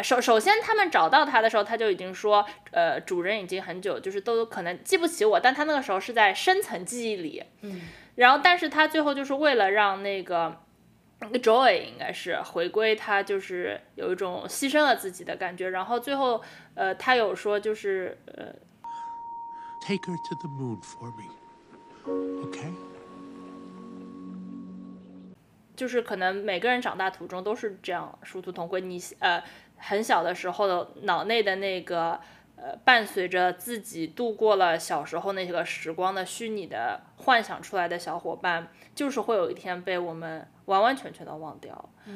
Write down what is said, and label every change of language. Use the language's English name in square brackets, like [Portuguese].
[Chinese] 首先他们找到他的时候，他就已经说主人已经很久就是都可能记不起我，但他那个时候是在深层记忆里。然后但是他最后就是为了让那个 joy 应该是回归，他就是有一种牺牲了自己的感觉。然后最后他有说就是 [English] Take her to the moon for me, okay? [Chinese] 就是可能每个人长大途中都是这样殊途同归。你很小的时候的脑内的那个伴随着自己度过了小时候那个时光的虚拟的幻想出来的小伙伴，就是会有一天被我们完完全全的忘掉。